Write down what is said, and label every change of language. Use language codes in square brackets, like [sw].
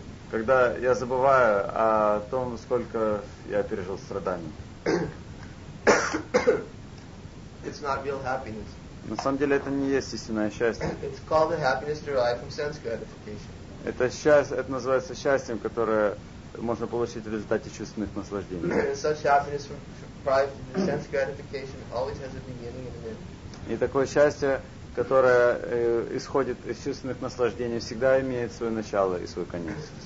[ru] Когда я забываю о том, сколько я пережил страданий. [en] It's not real happiness. [ru] На самом деле это не есть истинное счастье. [en] It's called the happiness derived from sense gratification. [ru] Это называется счастьем, которое можно получить в результате чувственных наслаждений. [en] Such happiness derived from sense gratification always has a beginning and an end. [ru] И такое счастье, которое исходит из чувственных наслаждений, всегда имеет свое начало и свой конец.